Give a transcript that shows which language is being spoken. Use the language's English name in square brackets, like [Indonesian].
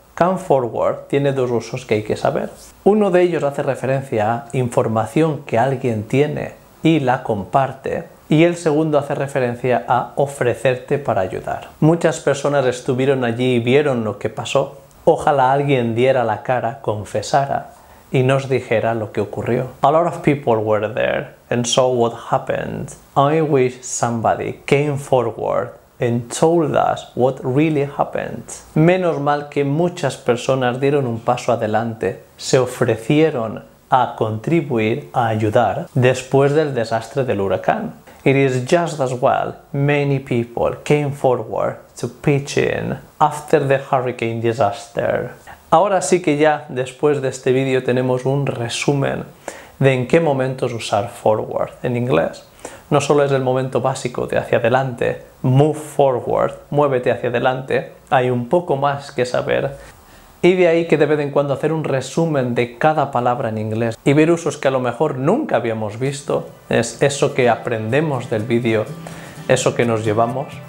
[Spanish] Come forward tiene dos usos que hay que saber. Uno de ellos hace referencia a información que alguien tiene y la comparte. Y el segundo hace referencia a ofrecerte para ayudar. Muchas personas estuvieron allí y vieron lo que pasó. Ojalá alguien diera la cara, confesara y nos dijera lo que ocurrió. [English] A lot of people were there and saw what happened. I wish somebody came forward and told us what really happened. [Spanish] Menos mal que muchas personas dieron un paso adelante, se ofrecieron a contribuir, a ayudar, después del desastre del huracán. [English] It is just as well many people came forward to pitch in after the hurricane disaster. [Spanish] Ahora sí que ya, después de este vídeo, tenemos un resumen de en qué momentos usar forward en inglés. No solo es el momento básico de hacia adelante, move forward, muévete hacia adelante, hay un poco más que saber. Y de ahí que de vez en cuando hacer un resumen de cada palabra en inglés y ver usos que a lo mejor nunca habíamos visto, es eso que aprendemos del vídeo, eso que nos llevamos.